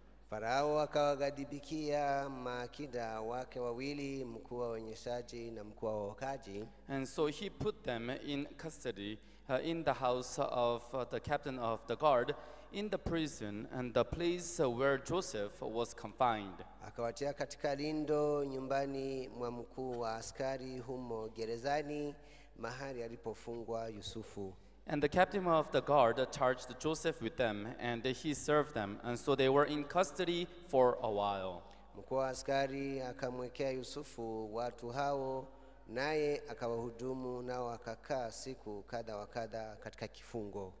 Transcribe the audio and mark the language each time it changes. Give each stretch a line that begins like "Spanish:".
Swahili: Farao akawagadibikia makida wake wawili, mkuu wa wenyeshaji na mkuu wa wakaji.
English: And so he put them in custody in the house of the captain of the guard, in the prison and the place where Joseph was confined.
Swahili: Akawatia katika lindo nyumbani mwa mkuu wa askari humo gerezani. Mahali alipofungwa Yusufu.
English: And the captain of the guard charged Joseph with them, and he served them, and so they were in custody for a while.
Swahili: Mkuu wa askari akamwekea Yusufu watu hao, naye akawahudumu nao akakaa siku kadha wa kadha katika kifungo.